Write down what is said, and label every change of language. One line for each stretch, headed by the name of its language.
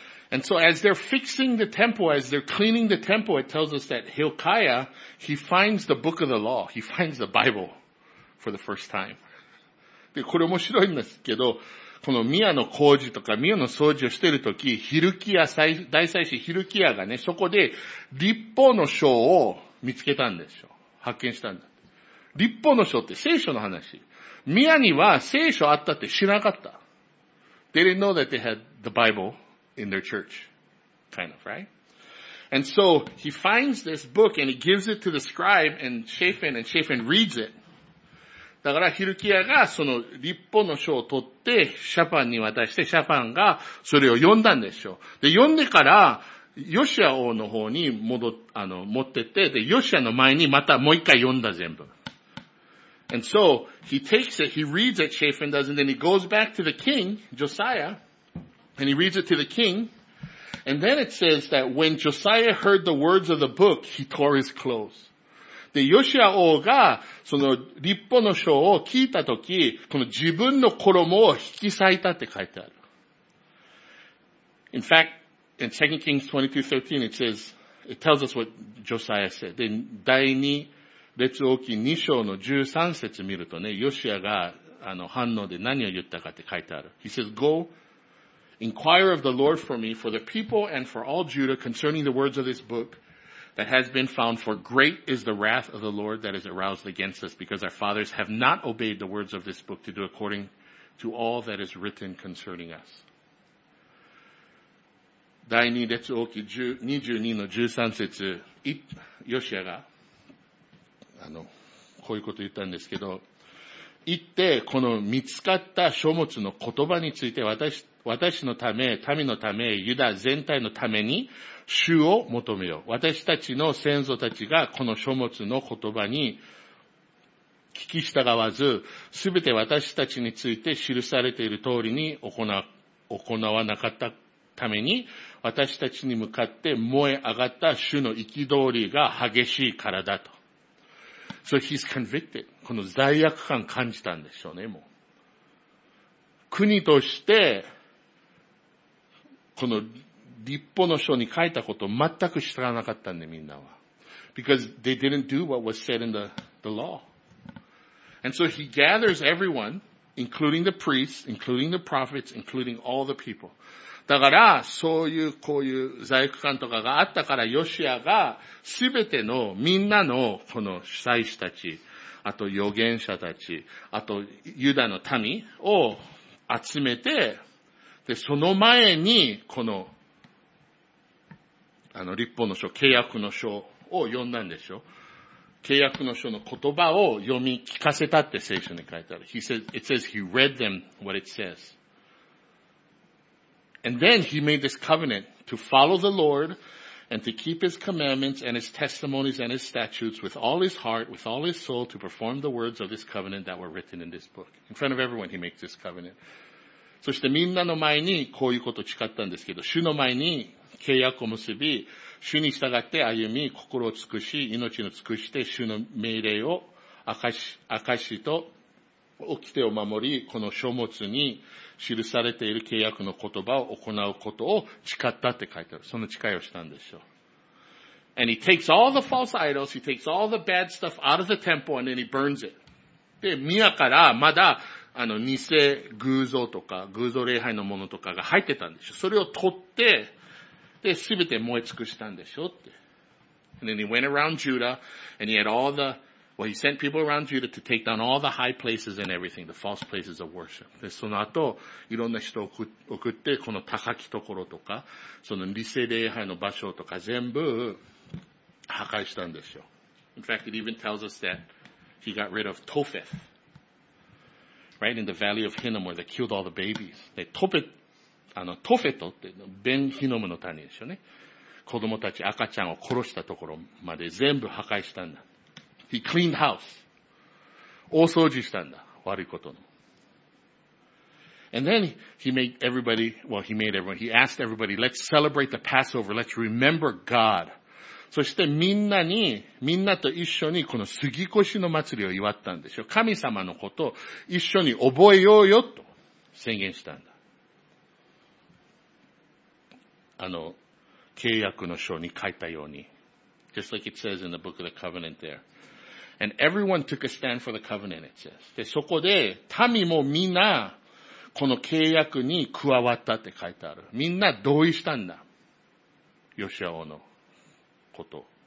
English: And so as they're fixing the temple, as they're cleaning the temple, it tells us that Hilkiah, he finds the book of the law, he finds the Bible for the first time.
Japanese: で、これ面白いんですけど、この宮の工事とか宮の掃除をしているとき、大祭司ヒルキアがね、そこで立法の書を見つけたんですよ。発見したんだ。立法の書って聖書の話。宮には聖書あったって知らなかった。
English: They didn't know that they had the Bible in their church. Kind of, right? And so, he finds this book and he gives it to the scribe and Shaphan reads it.
Japanese: だから、ヒルキアがその立法の書を取って、シャファンに渡して、シャファンがそれを読んだんでしょう。で、読んでから、ヨシア王の方に持ってって、で、ヨシアの前にまたもう一回読んだ、全部。
English: And so, he takes it, he reads it, Shaphan does, and then he goes back to the king, Josiah, and he reads it to the king, And then it says that when Josiah heard the words of the book, he tore his clothes.
Japanese: で、ヨシア王がその律法の書を聞いたとき、この自分の衣を引き裂いたって書いてある。
English: In fact, in 2 Kings 22:13, it tells us what Josiah said.
Japanese: で、第2列王記2章の13節見るとね、ヨシアがあの反応で何を言ったかって書いてある。
English: He says, Go, inquire of the Lord for me, for the people and for all Judah concerning the words of this book. That has been found, for great is the wrath of the Lord that is aroused against us, because our fathers have not obeyed the words of this book to do according to all that is written concerning us.
Japanese: 第2列王記22の13節、ヨシアが、あの、こういうこと言ったんですけど、言って、この見つかった書物の言葉について、私のため、民のため、ユダ全体のために、主を求めよう。私たちの先祖たちがこの書物の言葉に聞き従わず、すべて私たちについて記されている通りに行わなかったために、私たちに向かって燃え上がった主の憤りが激しいからだと。
English: So he's convicted.
Japanese: この罪悪感感じたんでしょうね、もう。国として、この立法の書に書いたことを全く知らなかったんで、みんなは。
English: Because they didn't do what was said in the law. And so he gathers everyone, including the priests, including the prophets, including all the people.
Japanese: だから、そういう、こういう罪悪感とかがあったから、ヨシアが、すべてのみんなの、この主祭司たち、あと預言者たち、あとユダの民を集めて、で、その前に、この、あの、立法の書、契約の書を読んだんでしょ。契約の書の言葉を読み聞かせたって聖書に書いてある。
English: It says he read them what it says. And then he made this covenant to follow the Lord and to keep his commandments and his testimonies and his statutes with all his heart, with all his soul to perform the words of this covenant that were written in this book. In front of everyone he makes this covenant.
Japanese: そしてみんなの前にこういうことを誓ったんですけど、主の前に契約を結び、主に従って歩み、心を尽くし、命を尽くして、主の命令を証しと掟を守り、この書物に記されている契約の言葉を行うことを誓ったって書いてある。その誓いをしたんでしょう。
English: And he takes all the false idols, he takes all the bad stuff out of the temple and then he burns it.
Japanese: で、宮からまだあの偽偶像とか、偶像礼拝のものとかが入ってたんでしょ。それを取って、で、すべて燃え尽くしたんでしょって。
English: And then he went around Judah, and he had all the, well, he sent people around Judah to take down all the high places and everything, the false places of worship.
Japanese: で、その後、いろんな人を送って、この高きところとか、その偽礼拝の場所とか全部破壊したんでしょ。
English: In fact, it even tells us that he got rid of Topheth, right in the Valley of Hinnom where they killed all the babies.
Japanese: で、トフェトって、ベンヒノムの谷ですよね。子供たち、赤ちゃんを殺したところまで全部破壊したんだ。
English: He cleaned house.
Japanese: 大掃除したんだ。悪いことの。
English: And then he asked everybody, let's celebrate the Passover, let's remember God.
Japanese: そしてみんなと一緒にこの杉越の祭りを祝ったんでしょ。神様のことを一緒に覚えようよと宣言したんだ。あの契約の書に書いたように
English: just like it says
Japanese: in the book of the covenant there and everyone took a stand for the covenant it says でそこで民もみんなこの契約に加わったって書いてあるみんな同意したんだヨシア王のこと